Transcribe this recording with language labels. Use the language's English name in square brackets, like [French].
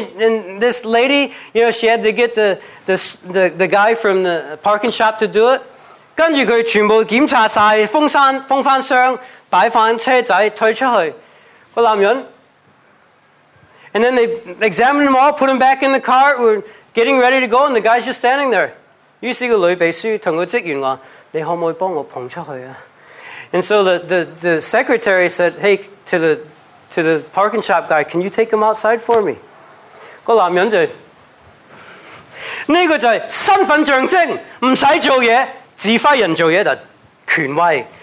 [English] And this lady, you know, she had to get the guy from the parking shop to do it. [Cantonese] 跟住佢全部检查晒，封翻箱，摆翻车仔，推出去个男人。 [English] And then they examined them all, put them back in the car. We're getting ready to go, and the guy's just standing there. [Cantonese] 於是个女秘书同个职员话。你可唔可以幫我捧出去啊 [English] ？And so the secretary said, "Hey, to the parking shop guy, can you take him outside for me?" [Cantonese] 個男人就呢個就係身份象徵，唔使做嘢，指揮人做嘢的權威。